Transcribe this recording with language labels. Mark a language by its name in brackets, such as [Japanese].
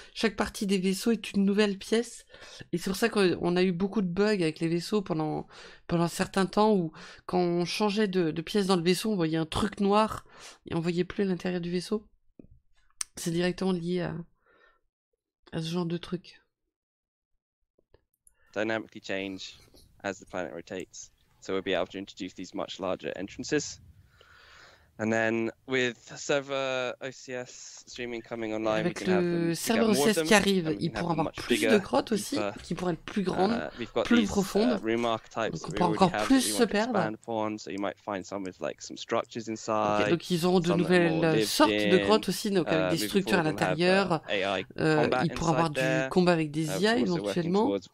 [French] Chaque partie des vaisseaux est une nouvelle pièce. Et c'est pour ça qu'on a eu beaucoup de bugs avec les vaisseaux pendant un certain temps où quand on changeait de pièce dans le vaisseau, on voyait un truc noir et on voyait plus l'intérieur du vaisseau. C'est directement lié à ce genre de truc. [English] Dynamically change as the planet rotates, so we'll be able to introduce these much larger entrances. And then with server OCS streaming coming online, [French] avec le serveur OCS qui arrive, ils pourront avoir plus de grottes aussi, qui pourraient être plus grandes, plus profondes. Donc on peut encore plus se perdre. [English] So you might find some with like some structures inside. [French] Donc ils auront de nouvelles sortes de grottes aussi, donc avec des structures à l'intérieur. Ils pourront avoir du combat avec des IA éventuellement.